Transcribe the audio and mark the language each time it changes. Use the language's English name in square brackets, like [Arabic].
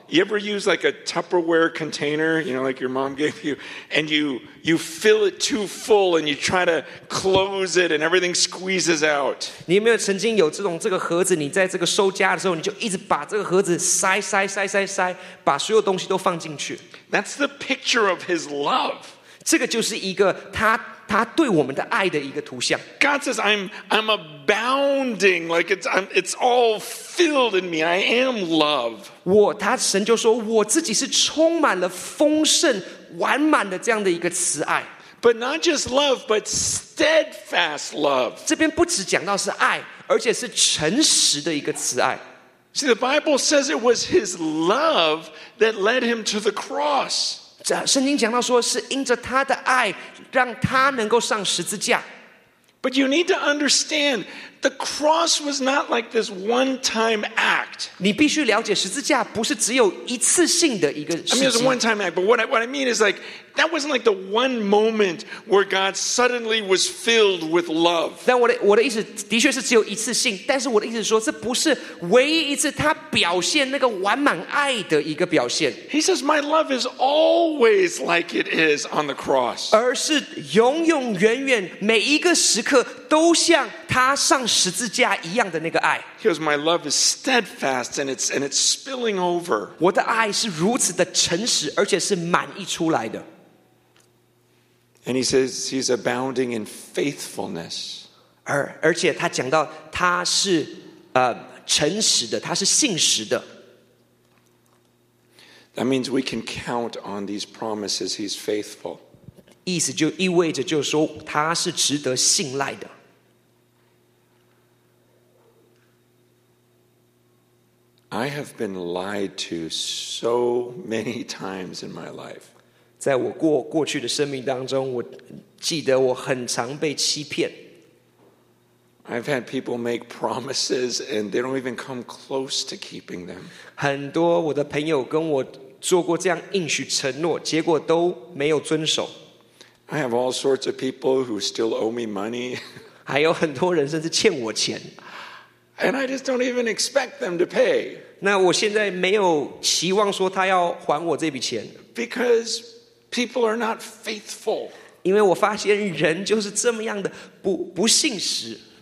[English] You ever use like a Tupperware container, you know, like your mom gave you, and you fill it too full and you try to close it and everything squeezes out? [Chinese] 你有没有曾经有这种这个盒子，你在这个收家的时候，你就一直把这个盒子塞塞塞塞塞，把所有东西都放进去。 [English] That's the picture of his love. [Chinese] 这个就是一个他对我们的爱的一个图像。 [English] God says, I'm abounding, like it's all filled in me. I am love. [Chinese] 他神就说我自己是充满了丰盛完满的这样的一个慈爱。 [English] But not just love, but steadfast love. [Chinese] 这边不只讲到是爱，而且是诚实的一个慈爱。 [English] See, the Bible says it was his love that led him to the cross. [Chinese] 圣经讲到说是因着他的爱让他能够上十字架。 [English] But you need to understand, the cross was not like this one-time act. [Chinese] 你必须了解十字架不是只有一次性的一个事情。 [English] I mean, it was a one-time act, but what I mean is like, that wasn't like the one moment where God suddenly was filled with love. [Chinese] 但我的意思的确是只有一次性，但是我的意思是说这不是唯一一次他表现那个完满爱的一个表现。 [English] He says, my love is always like it is on the cross. [Chinese] 而是永永远远每一个时刻都像他上十字架一样的那个爱。 [English] He says, my love is steadfast and it's spilling over. [Chinese] 我的爱是如此的诚实，而且是满溢出来的。 [English] And he says he's abounding in faithfulness. [Chinese] 而且他讲到他是诚实的，他是信实的。 [English] That means we can count on these promises. He's faithful. [Chinese] 意思就意味着就是说他是值得信赖的。 [English] I have been lied to so many times in my life. [Chinese] 在我过去的生命当中，我记得我很常被欺骗。 [English] I've had people make promises and they don't even come close to keeping them. [Chinese] 很多我的朋友跟我做过这样应许承诺，结果都没有遵守。 [English] I have all sorts of people who still owe me money. [Chinese] 还有很多人甚至欠我钱。 [English] And I just don't even expect them to pay. [Chinese] 那我现在没有期望说他要还我这笔钱。 [English] Because people are not faithful. [Chinese] 因为我发现人就是这么样的不信实。